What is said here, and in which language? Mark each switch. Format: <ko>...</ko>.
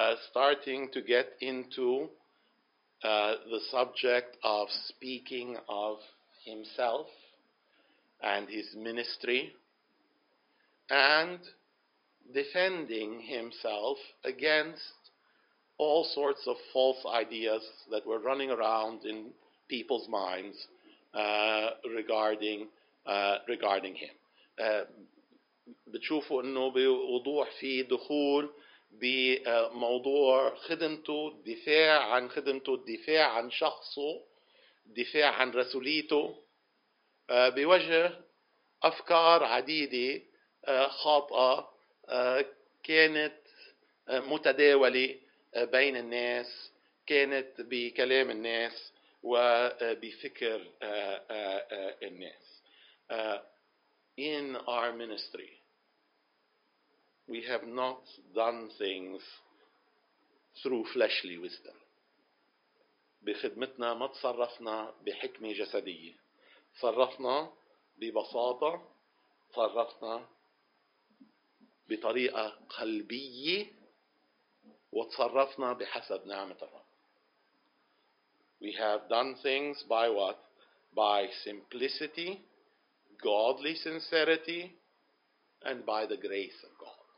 <en>Starting to get into the subject of speaking of himself and his ministry and defending himself against all sorts of false ideas that were running around in people's minds regarding him.</en> <ar>بتشوفوا انه بوضوح في دخول بموضوع خدمته، دفاع عن خدمته، دفاع عن شخصه، دفاع عن رسوليته، بوجه أفكار عديدة خاطئة كانت متداولة بين الناس، كانت بكلام الناس وبفكر الناس.</ar> <en>In our ministry, we have not done things through fleshly wisdom.</en> <ar>بخدمتنا ما تصرفنا بحكمة جسدية، تصرفنا ببساطة، تصرفنا بطريقة قلبية، وتصرفنا بحسب نعمة الرب.</ar> <en>We have done things by what? By simplicity, godly sincerity, and by the grace of God.</en>